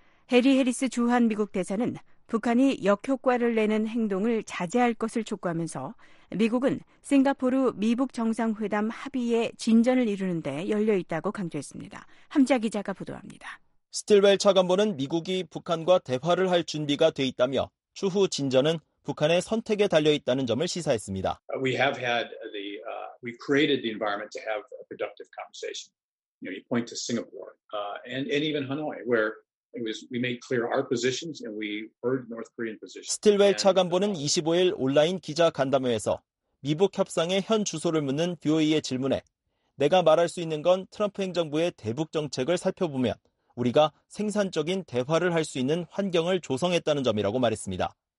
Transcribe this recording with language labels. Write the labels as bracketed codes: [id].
[ko] 해리 해리스 주한 미국 대사는 북한이 역효과를 내는 행동을 자제할 것을 촉구하면서 미국은 싱가포르 미북 정상회담 합의에 진전을 이루는 데 열려있다고 강조했습니다. 함자 기자가 보도합니다. 스틸웰 차관보는 미국이 북한과 대화를 할 준비가 돼 있다며 추후 진전은 북한의 선택에 달려 있다는 점을 시사했습니다. [en] We have had the we created the environment to have a productive conversation. You know, you point to Singapore and even Hanoi where it was we made clear our positions and we heard North Korean positions. [ko] 스틸웰 차관보는 25일 온라인 기자 간담회에서 미북 협상의 현 주소를 묻는 BOE의 질문에 내가 말할 수 있는 건 트럼프 행정부의 대북 정책을 살펴보면 우리가 생산적인 대화를 할 수 있는 환경을 조성했다는 점이라고 말했습니다.